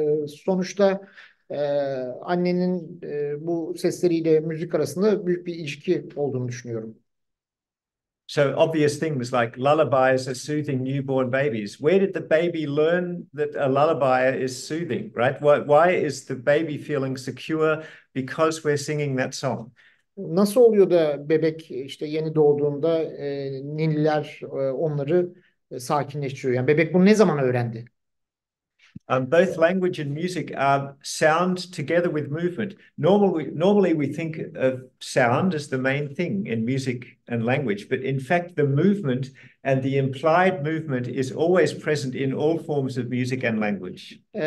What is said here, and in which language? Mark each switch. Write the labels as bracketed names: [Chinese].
[Turkish] Sonuçta annenin bu sesleriyle müzik arasında büyük bir ilişki olduğunu düşünüyorum. [English] So obvious things like lullabies are soothing newborn babies. Where did the baby learn that a lullaby is soothing, right? Why is the baby feeling secure? Because we're singing that song. [Turkish] Nasıl oluyor da bebek işte yeni doğduğunda Nil'ler onları sakinleştiriyor? Yani bebek bunu ne zaman öğrendi? [English] Both language and music are sound together with movement. Normally we think of sound as the main thing in music and language, but in fact the movement and the implied movement is always present in all forms of music and language.